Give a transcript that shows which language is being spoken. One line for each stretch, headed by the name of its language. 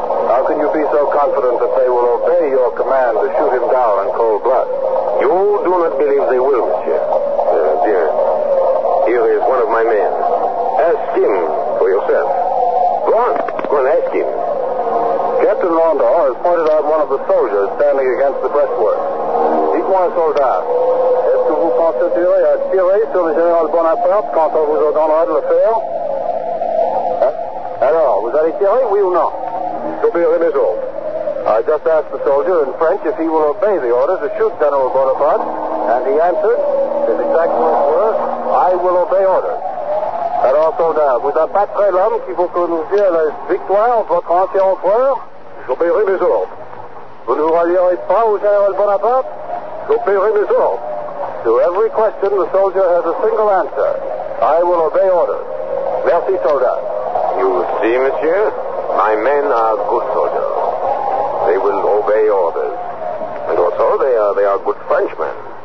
English: How can you be so confident that they will obey your command to shoot him down in cold blood? You do not believe they will, monsieur. Dear, here is one of my men. Ask him for yourself. Go on, ask him. Captain Rondeau has pointed out one of the soldiers standing against the breastwork.
French: Dites-moi, soldat, est-ce que vous pensez tirer à tirer sur le général Bonaparte quand on vous donnera de le faire? Alors, vous allez tirer, oui ou non? J'obéirai mes ordres.
English: I just asked the soldier in French if he will obey the order to shoot General Bonaparte, and he answered, his exact words were, I will obey orders.
French: Alors, soldat, vous n'êtes pas très l'homme qui vous conduit à la victoire de votre ancien empereur? J'obéirai mes ordres. Vous ne vous rallierez pas au général Bonaparte? J'obéirai mes ordres.
English: To every question, the soldier has a single answer. I will obey orders.
French: Merci, soldat.
English: You see, monsieur, my men are good soldiers. They will obey orders. And also, they are good Frenchmen.